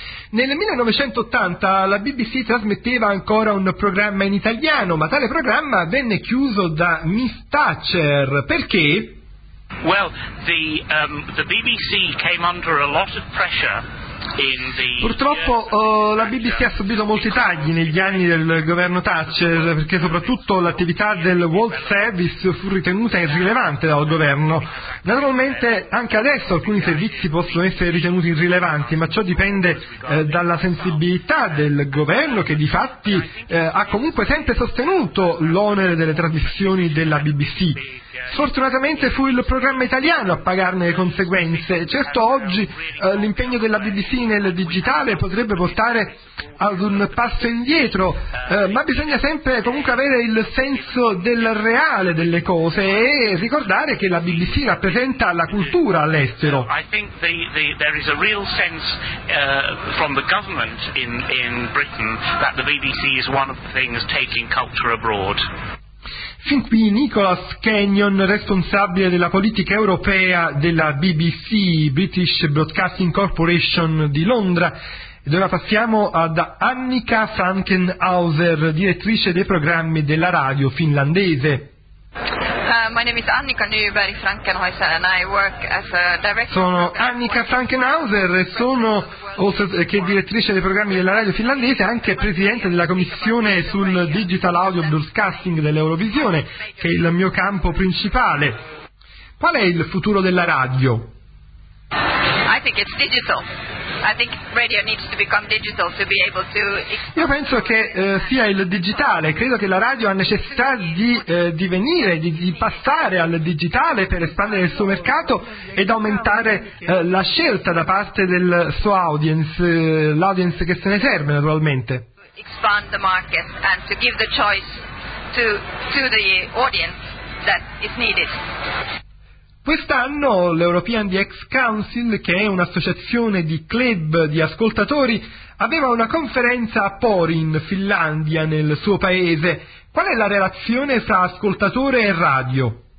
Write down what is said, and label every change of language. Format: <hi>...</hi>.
<it>Nel 1980 la BBC trasmetteva ancora un programma in italiano, ma tale programma venne chiuso da Miss Thatcher. Perché?</it> <en>The BBC came under a lot of pressure.</en> <it>Purtroppo la BBC ha subito molti tagli negli anni del governo Thatcher, perché soprattutto l'attività del World Service fu ritenuta irrilevante dal governo. Naturalmente anche adesso alcuni servizi possono essere ritenuti irrilevanti, ma ciò dipende dalla sensibilità del governo, che difatti ha comunque sempre sostenuto l'onere delle trasmissioni della BBC. Sfortunatamente fu il programma italiano a pagarne le conseguenze. Certo, oggi l'impegno della BBC nel digitale potrebbe portare ad un passo indietro, ma bisogna sempre comunque avere il senso del reale delle cose e ricordare che la BBC rappresenta la cultura all'estero.</it> <en>I think there is a real sense from the government in Britain that the BBC is one of the things taking culture abroad.</en> <it>Fin qui Nicholas Kenyon, responsabile della politica europea della BBC, British Broadcasting Corporation di Londra. Ed ora passiamo ad Annika Frankenhauser, direttrice dei programmi della radio finlandese.</it> <en>My name is Annika Nyberg Frankenhauser and I work as a director.</en> <it>Sono Annika Frankenhauser e sono, oltre che direttrice dei programmi della radio finlandese, anche presidente della commissione sul digital audio broadcasting dell'Eurovisione, che è il mio campo principale. Qual è il futuro della radio?</it> <en>I think it's digital. I think radio needs to become digital to be able to.</en> <it>Io penso che sia il digitale, credo che la radio ha necessità di divenire, di passare al digitale per espandere il suo mercato ed aumentare la scelta da parte del suo audience, l'audience che se ne serve naturalmente.</it> <en>Expand the market and to give the choice to the audience that is needed.</en> <it>Quest'anno l'European DX Council, che è un'associazione di club di ascoltatori, aveva una conferenza a Pori, in Finlandia, nel suo paese. Qual è la relazione fra ascoltatore e radio?</it>